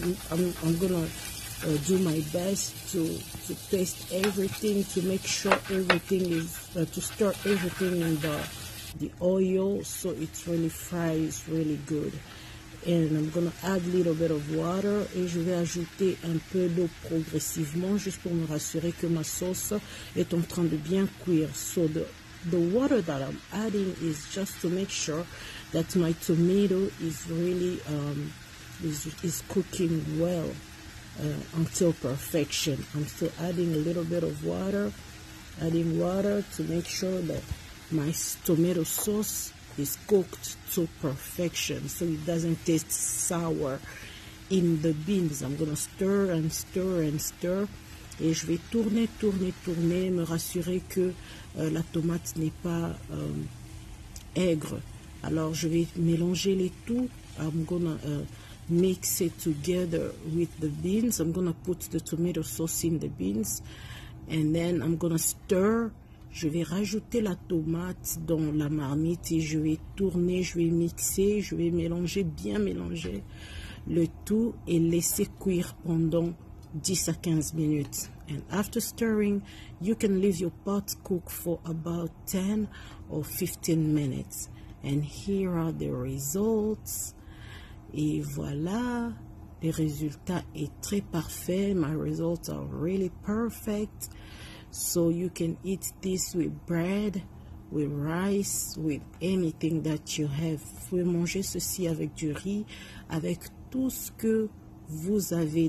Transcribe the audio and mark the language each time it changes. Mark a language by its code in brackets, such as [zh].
[en] I'm gonna do my best to taste everything, to make sure everything is to stir everything in the oil so it really fries really good. And I'm gonna add a little bit of water. [fr] Et je vais ajouter un peu d'eau progressivement juste pour me rassurer que ma sauce est en train de bien cuire. [en] So the water that I'm adding is just to make sure that my tomato is really is cooking well until perfection. I'm still adding a little bit of water, adding water to make sure that my tomato sauce is cooked to perfection so it doesn't taste sour in the beans. I'm gonna stir and stir and stir. [fr] Et je vais tourner, me rassurer que la tomate n'est pas aigre. Alors je vais mélanger les tout. [en] I'm gonna mix it together with the beans. I'm gonna put the tomato sauce in the beans. And then I'm gonna stir. [fr] Je vais rajouter la tomate dans la marmite et je vais tourner, je vais mixer, je vais mélanger, bien mélanger le tout et laisser cuire pendant 10 à 15 minutes. [en] And after stirring, you can leave your pot cook for about 10 or 15 minutes. And here are the results. [fr] Et voilà, le résultat est très parfait. [en] My results are really perfect. So you can eat this with bread, with rice, with anything that you have. [fr] Vous pouvez manger ceci avec du riz, avec tout ce que vous avez.